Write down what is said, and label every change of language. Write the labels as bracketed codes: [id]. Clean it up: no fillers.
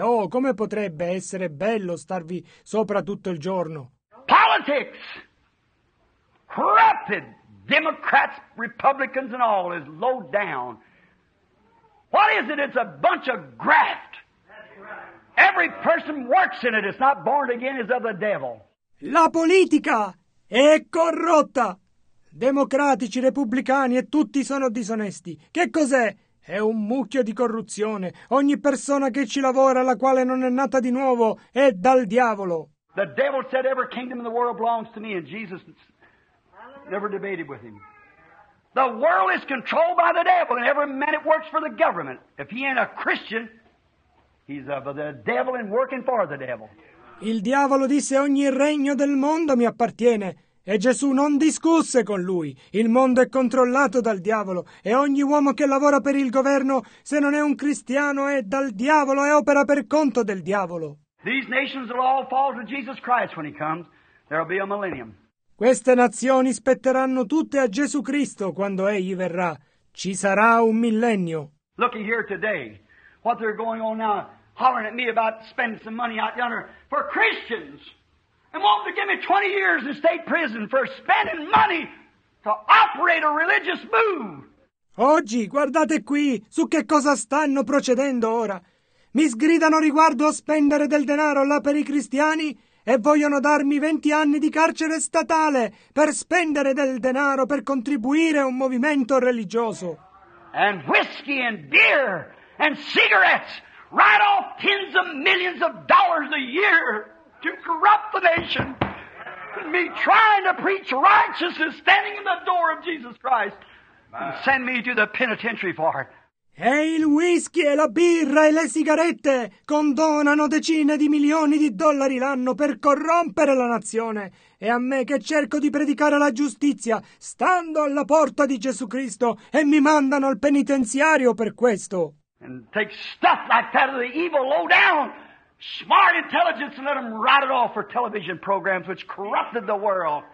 [it] Oh, come potrebbe essere bello starvi sopra tutto il giorno. [en] Politics! Corrupted! Democrats, Republicans and all is low down. What is it? It's a bunch of graft. Every person works in it. It's not born again, it's of the devil. [it] La politica è corrotta. Democratici, repubblicani e tutti sono disonesti. Che cos'è? È un mucchio di corruzione. Ogni persona che ci lavora, la quale non è nata di nuovo, è dal diavolo. [en] The devil said every kingdom in the world belongs to me, and Jesus never debated with him. The world is controlled by the devil, and every man it works for the government. If he ain't a Christian, he's of the devil and working for the devil. [it] Il diavolo disse: ogni regno del mondo mi appartiene. E Gesù non discusse con lui. Il mondo è controllato dal diavolo e ogni uomo che lavora per il governo, se non è un cristiano, è dal diavolo e opera per conto del diavolo. [en] These nations will all fall to Jesus Christ when he comes. There will be a millennium. [it] Queste nazioni spetteranno tutte a Gesù Cristo quando egli verrà. Ci sarà un millennio. [en] Look here today. What they're going on now, hollering at me about spending some money out yonder for Christians. And want to give me 20 years in state prison for spending money to operate a religious move. [it] Oggi, guardate qui, su che cosa stanno procedendo ora. Mi sgridano riguardo a spendere del denaro là per i cristiani e vogliono darmi 20 anni di carcere statale per spendere del denaro per contribuire a un movimento religioso. [en] And whiskey and beer and cigarettes write off tens of millions of dollars a year. To corrupt the nation. Me trying to preach righteousness, standing in the door of Jesus Christ. And send me to the penitentiary for it. [it] E il whisky e la birra e le sigarette condonano decine di milioni di dollari l'anno per corrompere la nazione. E a me che cerco di predicare la giustizia, stando alla porta di Gesù Cristo, e mi mandano al penitenziario per questo. [en] And take stuff like that of the evil low down. Smart intelligence and let them write it off for television programs which corrupted the world.